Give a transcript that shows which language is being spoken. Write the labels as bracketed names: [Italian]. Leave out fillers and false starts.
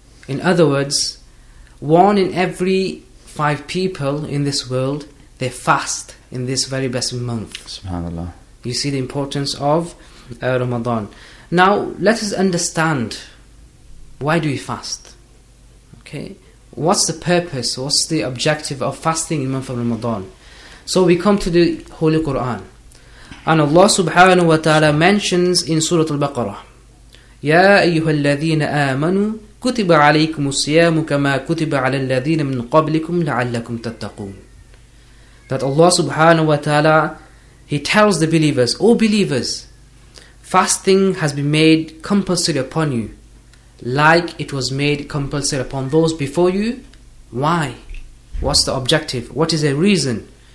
[English] In other words, one in every five people in this world, they fast in this very blessed month. Subhanallah. You see the importance of Ramadan. Now, let us understand, why do we fast? Okay, what's the purpose, what's the objective of fasting in month of Ramadan? So we come to the Holy Quran. And Allah subhanahu wa ta'ala mentions in Surah Al-Baqarah, [Arabic] يَا أَيُّهَا الَّذِينَ آمَنُوا كُتِبَ عَلَيْكُمُ الصِّيَامُ كَمَا كُتِبَ عَلَى الَّذِينَ مِنْ قَبْلِكُمْ لَعَلَّكُمْ تَتَّقُونَ. [English] That Allah subhanahu wa ta'ala, He tells the believers, O believers, fasting has been made compulsory upon you, like it was made compulsory upon those before you. Why? What's the objective? What is the reason?